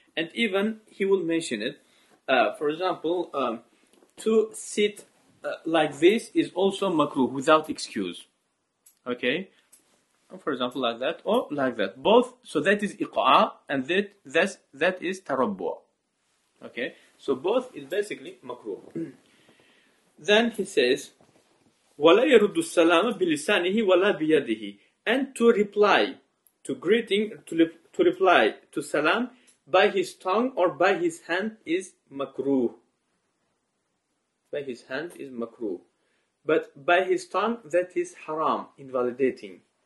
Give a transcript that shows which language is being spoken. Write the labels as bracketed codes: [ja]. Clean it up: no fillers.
[en] And even he will mention it. For example, to sit like this is also makruh, without excuse. Okay? For example, like that or like that. Both, so that is iqa'a and that is tarabbu'. Okay? So both is basically makruh. Then he says, [ar] وَلَا يَرُدُّ السَّلَامَ بِلِسَانِهِ وَلَا بِيَدِهِ. [en] And to reply to greeting, to reply to salam by his tongue or by his hand is makruh. By his hand is makruh. But by his tongue, that is haram, invalidating.